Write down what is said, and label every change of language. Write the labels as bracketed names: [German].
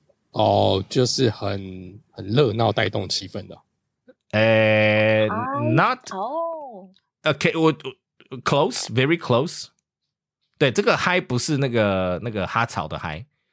[Chinese] 哦,就是很热闹带动气氛的。 [English] Not okay, close, very close. [Chinese] 对，这个 high 不是那个哈草的 high，